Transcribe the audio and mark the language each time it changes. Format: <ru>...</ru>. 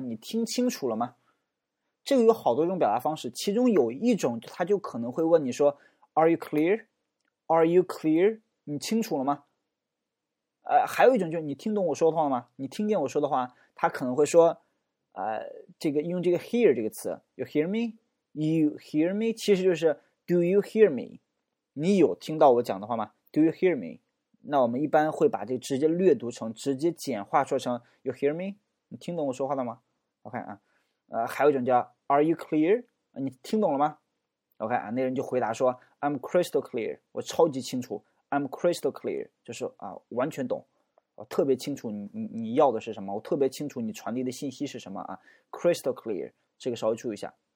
<zh>你听清楚了吗？这个有好多种表达方式，其中有一种他就可能会问你说 Are you clear?</zh> <en>Are you clear? 你清楚了吗？</en> <zh>还有一种就是你听懂我说的话吗？你听见我说的话，他可能会说这个用这个 hear 这个词， You hear me?</zh> <en>You hear me? 其实就是 Do you hear me?</en> <zh>你有听到我讲的话吗？ Do you hear me? 那我们一般会把这直接略读成，直接简化说成 You hear me? 你听懂我说话了吗？</zh> <en>OK 啊，还有一种叫 Are you clear?</en> <zh>你听懂了吗？ OK 啊，那人就回答说 I'm crystal clear，我超级清楚， I'm crystal clear， 就是啊完全懂，我特别清楚你要的是什么，我特别清楚你传递的信息是什么啊， crystal clear， 这个稍微注意一下。</zh>